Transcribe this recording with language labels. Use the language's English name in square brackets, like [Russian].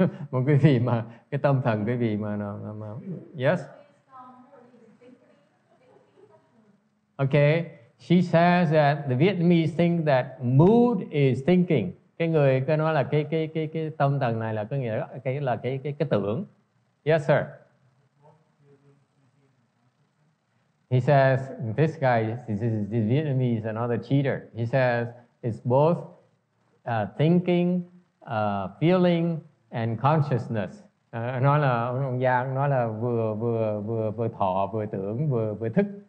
[Vietnamese] Một quý vị mà, cái tâm thần quý vị mà nó, [English] yes? Okay, she says that the Vietnamese think that mood is thinking. [Vietnamese] Cái người cứ nói là cái tâm thần này là có nghĩa là cái tưởng. [English] Yes, sir. He says, this guy, this Vietnamese is another cheater. He says, it's both thinking, feeling, and consciousness. [Vietnamese] Nó là vừa thọ, vừa tưởng, vừa thức.